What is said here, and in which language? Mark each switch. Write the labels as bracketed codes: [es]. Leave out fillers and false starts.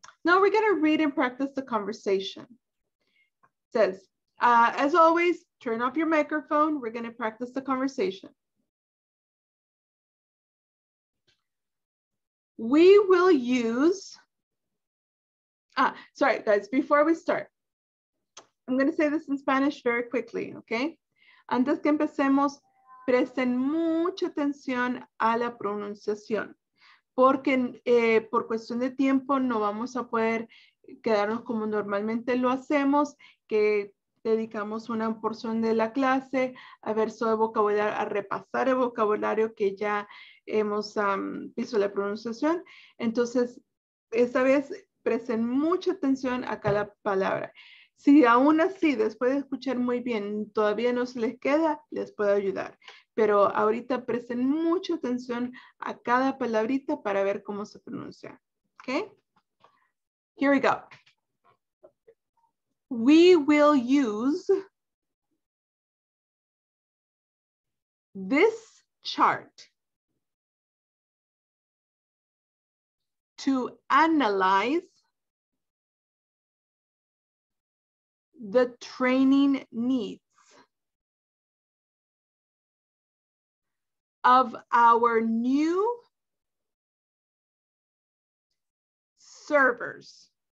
[en] Now we're going to read and practice the conversation. It says, as always, turn off your microphone. We're going to practice the conversation. We will use, sorry guys, before we start, I'm going to say this in Spanish very quickly, okay? [es] Antes que empecemos, presten mucha atención a la pronunciación, porque por cuestión de tiempo no vamos a poder quedarnos como normalmente lo hacemos, que dedicamos una porción de la clase a ver sobre vocabulario, a repasar el vocabulario que ya hemos visto la pronunciación. Entonces, esta vez presten mucha atención a cada palabra. Si aún así, después de escuchar muy bien, todavía no se les queda, les puedo ayudar. Pero ahorita presten mucha atención a cada palabrita para ver cómo se pronuncia. [en] Okay? Here we go. We will use this chart to analyze the training needs of our new servers.